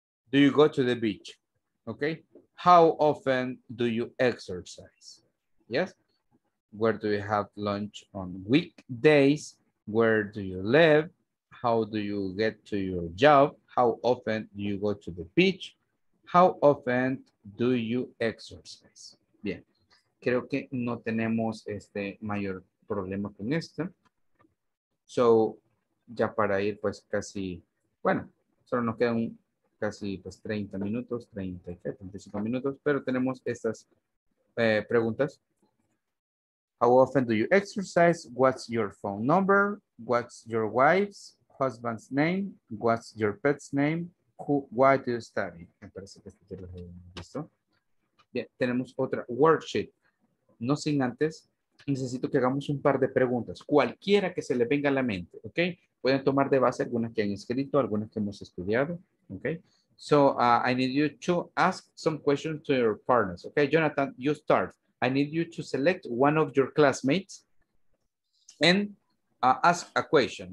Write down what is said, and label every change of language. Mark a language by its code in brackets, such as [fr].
[en] Do you go to the beach? Okay. How often do you exercise? Yes. Where do you have lunch on weekdays? Where do you live? How do you get to your job? How often do you go to the beach? How often do you exercise? [es] Bien. Creo que no tenemos mayor problema con esto. So, ya para ir pues casi, bueno, solo nos queda un casi pues 30 minutos, 35 minutos, pero tenemos estas preguntas. [en] How often do you exercise? What's your phone number? What's your wife's husband's name? What's your pet's name? Why do you study? [es] Me parece que este lo hemos visto. Bien, tenemos otra worksheet. No sin antes, necesito que hagamos un par de preguntas, cualquiera que se le venga a la mente, ¿ok? Pueden tomar de base algunas que han escrito, algunas que hemos estudiado, ¿ok? [en] So I need you to ask some questions to your partners. Okay, Jonathan, you start. I need you to select one of your classmates and ask a question.